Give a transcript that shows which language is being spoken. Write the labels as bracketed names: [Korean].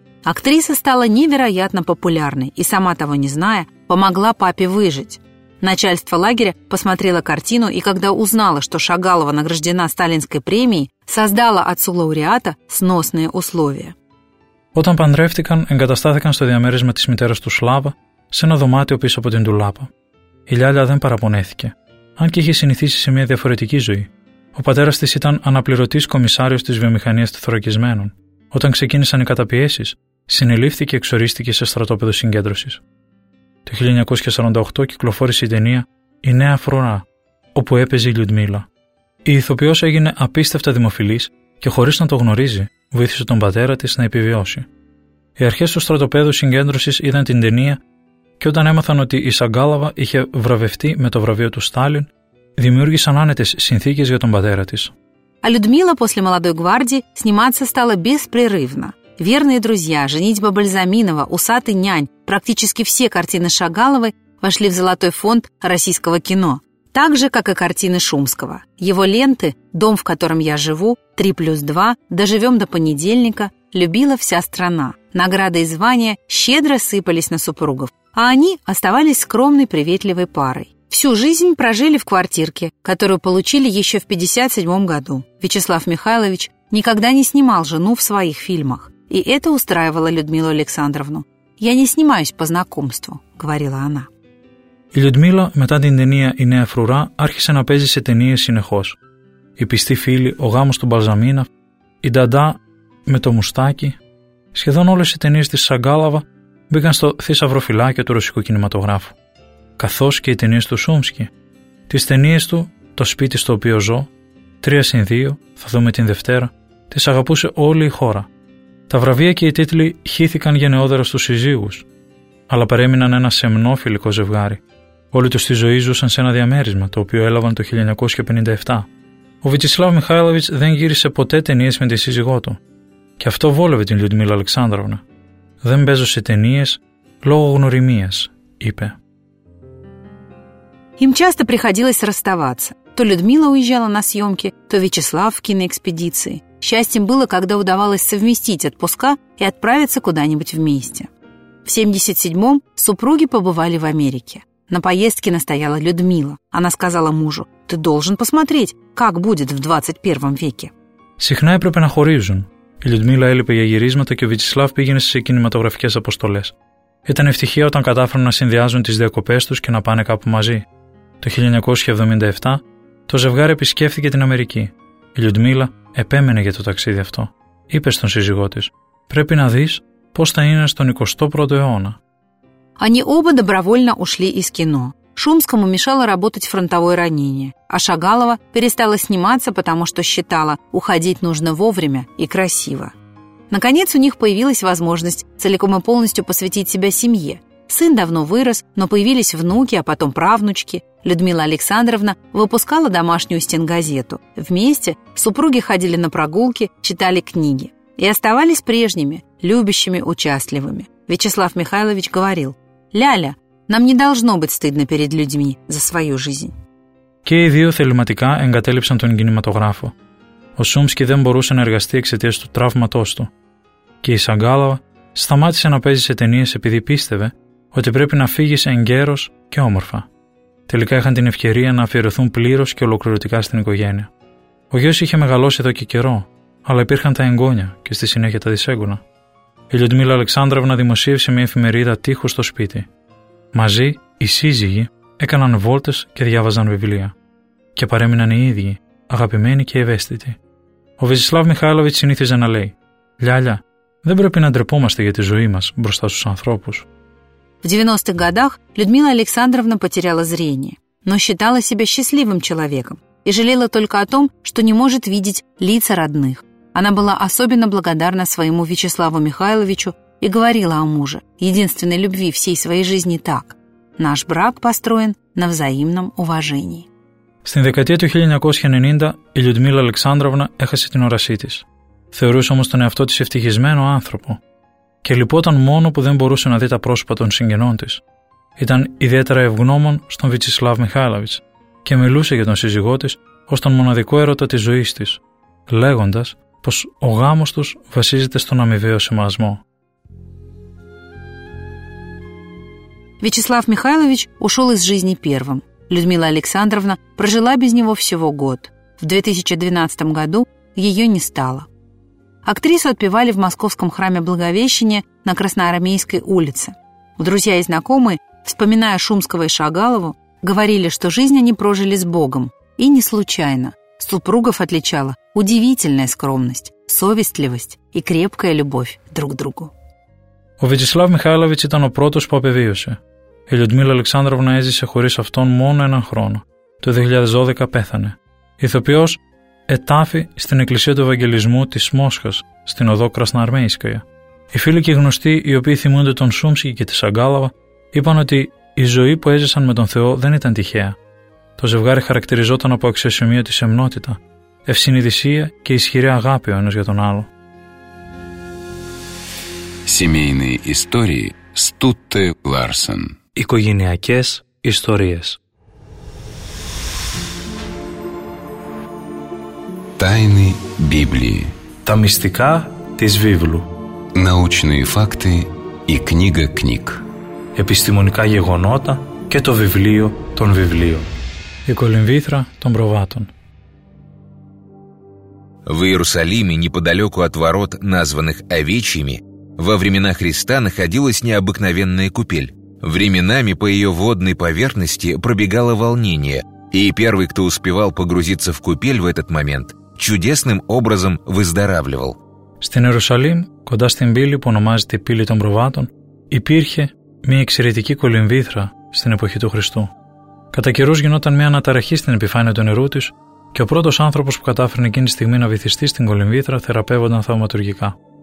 [Russian] Актриса стала невероятно популярной и, сама того не зная, помогла папе выжить. Начальство лагеря посмотрело картину и, когда узнало, что Шагалова награждена сталинской премией, создало отцу лауреата сносные условия. [Greek] Όταν παντρεύτηκαν, εγκαταστάθηκαν στο διαμέρισμα της μητέρας του Σλάβα, σε ένα δωμάτιο πίσω από την ντουλάπα. Η Λιάλια δεν παραπονέθηκε, αν και είχε συνηθίσει σε μια διαφορετική ζωή. Ο πατέρας της ήταν αναπληρωτής κομισάριος της βιομηχανίας των θωρακισμένων. Όταν ξεκίνησαν οι καταπιέσεις, συνελήφθη και εξορίστηκε σε στρατόπεδο συγκέντρωσης. Το 1948 κυκλοφόρησε η ταινία «Η Νέα Φρουρά», όπου έπαιζε η Λιουντμίλα. Η ηθοποιός έγινε απίστευτα δημοφιλής και χωρίς να το γνωρίζει, βοήθησε τον πατέρα της να επιβιώσει. Οι αρχές του στρατοπέδου συγκέντρωσης είδαν την ταινία και όταν έμαθαν ότι η Σαγκάλαβα είχε βραβευτεί με το βραβείο του Στάλιν, δημιούργησαν άνετες συνθήκες για τον πατέρα της. [Russian] А Людмила после «Молодой гвардии» сниматься стала беспрерывно. «Верные друзья», «Женитьба Бальзаминова», «Усатый нянь» – практически все картины Шагаловой вошли в золотой фонд российского кино. Так же, как и картины Шумского. Его ленты «Дом, в котором я живу», «Три плюс два», «Доживем до понедельника» любила вся страна. Награды и звания щедро сыпались на супругов, а они оставались скромной приветливой парой. Всю жизнь прожили в квартирке, которую получили еще в 57 году. Вячеслав Михайлович никогда не снимал жену в своих фильмах. И это устраивало Людмилу Александровну. «Я не снимаюсь по знакомству», — говорила она. [Greek] Η Людмила μετά την ταινία «Η Νέα Φρουρά» άρχισε να παίζει σε ταινίες συνεχώς. «Η πιστή φίλη», «Ο γάμος του Μπαλζαμίνα», «Η Νταντά με το μουστάκι». Σχεδόν όλες οι ταινίες της Σαγκάλαβα μπήκαν στο θησαυρό φυλάκιο του ρωσικού κινηματογράφου. Καθώς και οι ταινίες του Σούμσκι. Τις ταινίες του «Το σπίτι στο οποίο ζω», «Τρία συν δύο», «Θα δούμε την Δευτέρα», τις αγαπούσε όλη η χώρα. Τα βραβεία και οι τίτλοι χύθηκαν γενναιόδωρα στους συζύγους, αλλά παρέμειναν ένα σεμνό φιλικό ζευγάρι. Όλοι τους στη ζωή ζούσαν σε ένα διαμέρισμα, το οποίο έλαβαν το 1957. Ο Βιτσισλάβ Μιχάιλοβιτς δεν γύρισε ποτέ ταινίες με τη σύζυγό του. Και αυτό βόλευε την Λιουντμίλα Αλεξάνδροβνα. «Δεν παίζω σε ταινίες λόγω γνωριμίας», είπε. [Russian] Им часто приходилось расставаться. То Людмила уезжала на съемки, то Вячеслав в киноэкспедиции. Счастьем было, когда удавалось совместить отпуска и отправиться куда-нибудь вместе. В 77-м супруги побывали в Америке. На поездке настояла Людмила. Она сказала мужу: «Ты должен посмотреть, как будет в 21 веке». [Greek] Συχνά έπρεπε να χωρίζουν. Η Людмила έλειπε για γυρίσματα και ο Вячеслав πήγαινε σε κινηματογραφικές αποστολές. Ήταν ευτυχία όταν κατάφεραν να συνδυάζουν τις διακοπές τους και να πάνε κάπου μαζί. Το 1977 το ζευγάρι επισκέφθηκε την Αμερική. Η Λιουντμίλα επέμενε για το ταξίδι αυτό. Είπε στον σύζυγό της: «Πρέπει να δεις πώς θα είναι στον 21ο αιώνα». [Russian] Они оба добровольно ушли из кино. Шумскому мешало работать фронтовое ранение, а Шагалова перестала сниматься, потому что считала, уходить нужно вовремя и красиво. Наконец у них появилась возможность целиком и полностью посвятить себя семье. Сын давно вырос, но появились внуки, а потом правнучки. Людмила Александровна выпускала домашнюю стенгазету. Вместе супруги ходили на прогулки, читали книги. И оставались прежними, любящими, участливыми. Вячеслав Михайлович говорил: «Ляля, нам не должно быть стыдно перед людьми за свою жизнь». [Greek] Και οι δύο θεληματικά εγκατέλειψαν τον κινηματογράφο. Ο Σούμσκι δεν μπορούσε να εργαστεί εξαιτίας του τραύματός του. Και η Σαγκάλαβα σταμάτησε να παίζει σε ταινίες επειδή πίστευε ότι πρέπει να φύγει σε εγκαίρος και όμορφα. Τελικά είχαν την ευκαιρία να αφιερωθούν πλήρως και ολοκληρωτικά στην οικογένεια. Ο γιος είχε μεγαλώσει εδώ και καιρό, αλλά υπήρχαν τα εγγόνια και στη συνέχεια τα δυσέγγωνα. Η Λιουντμίλα Αλεξάνδροβνα δημοσίευσε μια εφημερίδα τείχους στο σπίτι. Μαζί, οι σύζυγοι έκαναν βόλτες και διάβαζαν βιβλία. Και παρέμειναν οι ίδιοι, αγαπημένοι και ευαίσθητοι. Ο Βιτσισλάβ Μιχάιλοβιτς συνήθιζε να λέει: «Λιάλια, δεν πρέπει να ντρεπόμαστε για τη ζωή μας μπροστά στους ανθρώπους». [Russian] В 90-х годах Людмила Александровна потеряла зрение, но считала себя счастливым человеком и жалела только о том, что не может видеть лица родных. Она была особенно благодарна своему Вячеславу Михайловичу и говорила о муже, единственной любви всей своей жизни, так: «Наш брак построен на взаимном уважении». [Greek] Στην δεκαετία του 1990 η Людмила Александровна έχασε την όρασή της. Θεωρούσε όμως τον εαυτό της ευτυχισμένο άνθρωπο. Και λυπόταν μόνο που δεν μπορούσε να δει τα πρόσωπα των συγγενών της. Ήταν ιδιαίτερα ευγνώμων στον Βιτσισλάβ Μιχάιλοβιτς και μιλούσε για τον σύζυγό της ως τον μοναδικό έρωτα της ζωής της, λέγοντας πως ο γάμος τους βασίζεται στον αμοιβαίο σεβασμό. [Russian] Βιτσισλάβ Μιχάιλοβιτς ушел из жизни первым. Людмила Александровна прожила без него всего год. В 2012 году ее не стало. Актрису отпевали в московском храме Благовещения на Красноармейской улице. Друзья и знакомые, вспоминая Шумского и Шагалову, говорили, что жизнь они прожили с Богом. И не случайно. Супругов отличала удивительная скромность, совестливость и крепкая любовь друг к другу. [Greek] Ο Βιτσισλάβ Μιχάλοβιτς ήταν ο πρώτος που απεβίωσε. Η Λιουντμίλα Αλεξάνδροβνα έζησε χωρίς αυτόν μόνο έναν χρόνο. Το 2012 πέθανε. Ηθοποιός ετάφη στην Εκκλησία του Ευαγγελισμού της Μόσχας, στην οδό Κρασναρμέισκαια. Οι φίλοι και οι γνωστοί, οι οποίοι θυμούνται τον Σούμσκι και τη Σαγκάλαβα, είπαν ότι η ζωή που έζησαν με τον Θεό δεν ήταν τυχαία. Το ζευγάρι χαρακτηριζόταν από αξιοσημείωτη σεμνότητα, ευσυνειδησία και ισχυρή αγάπη ο ένας για τον άλλο. [Russian] Семейные истории Стутте Ларсен. [Greek] Οικογενειακές ιστορίες. [Russian] Тайны Библии. [Greek] Τα μυστικά της Βίβλου. [Russian] Научные факты и книга книг. [Greek] Επιστημονικά γεγονότα και το βιβλίο των βιβλίων. Η κολυμβήθρα των προβάτων. [Russian] В Иерусалиме, неподалеку от ворот, названных Овечьими, во времена Христа находилась необыкновенная купель. Временами по ее водной поверхности пробегало волнение, и первый, кто успевал погрузиться в купель в этот момент, чудесным образом выздоравливал. [Greek] Στην Ιερουσαλήμ, κοντά στην πύλη που ονομάζεται Πύλη των Προβάτων, υπήρχε μια εξαιρετική κολυμβήθρα στην εποχή του Χριστού. Κατά καιρούς γινόταν μια αναταραχή στην επιφάνεια του νερού της και ο πρώτος άνθρωπος που κατάφερνε εκείνη τη στιγμή να βυθιστεί στην κολυμβήθρα θεραπεύονταν θαυματουργικά.